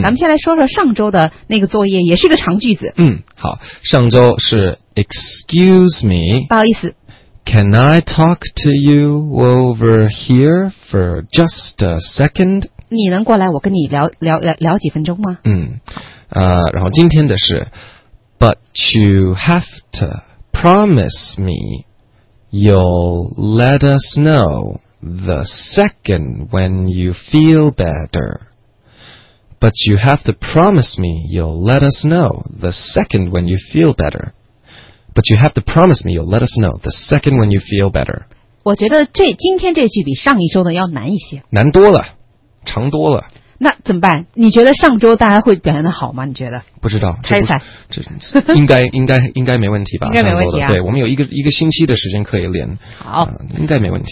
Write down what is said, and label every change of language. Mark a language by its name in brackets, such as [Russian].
[Chinese] 咱们先来说说上周的那个作业也是个长句子。嗯好。上周是 [English] Excuse me。 [Chinese] 不好意思。 [English] Can I talk to you over here for just a second? [Chinese] 你能过来我跟你聊几分钟吗？嗯，然后今天的是 [English] But you have to promise me you'll let us know the second when you feel better. But you have to promise me you'll let us know the second when you feel better. But you have to promise me you'll let us know the second when you feel better. [Chinese] 我觉得这今天这句比上一周的要难一些。难多了，长多了。那怎么办？你觉得上周大家会表现的好吗？你觉得？不知道，猜猜。这应该没问题吧？应该没问题啊。对，我们有一个星期的时间可以连。好，应该没问题。